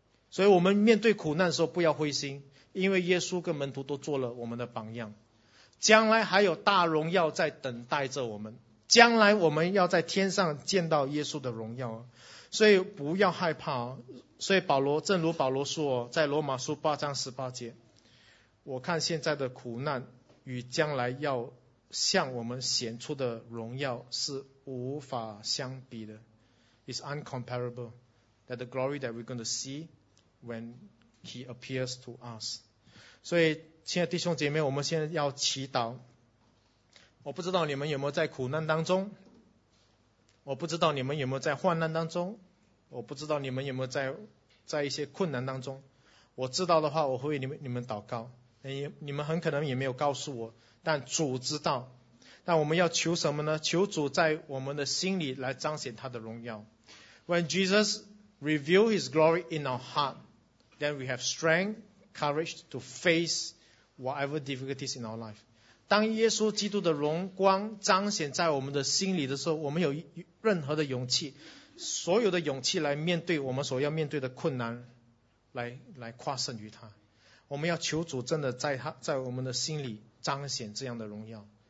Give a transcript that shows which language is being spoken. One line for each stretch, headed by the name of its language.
Chinese: 所以我们面对苦难的时候不要灰心，因为耶稣跟门徒都做了我们的榜样，将来还有大荣耀在等待着我们，将来我们要在天上见到耶稣的荣耀，所以不要害怕。所以保罗，正如保罗说在罗马书八章十八节，我看现在的苦难与将来要向我们显出的荣耀是无法相比的。
English: It's uncomparable that the glory that we're going to see when he appears to us.
Chinese: 所以亲爱的弟兄姐妹，我们现在要祈祷。我不知道你们有没有在苦难当中，我不知道你们有没有在患难当中，我不知道你们有没有在一些困难当中。我知道的话，我会为你们祷告。你们很可能也没有告诉我，但主知道。但我们要求什么呢？求主在我们的心里来彰显他的荣耀。
English: When Jesus reveal his glory in our heart, then we have strength, courage to face whatever difficulties in our life.
Chinese: 当耶稣基督的荣光彰显在我们的心里的时候，我们有任何的勇气，所有的勇气来面对我们所要面对的困难，来跨胜于他。我们要求主真的在我们的心里彰显这样的荣耀。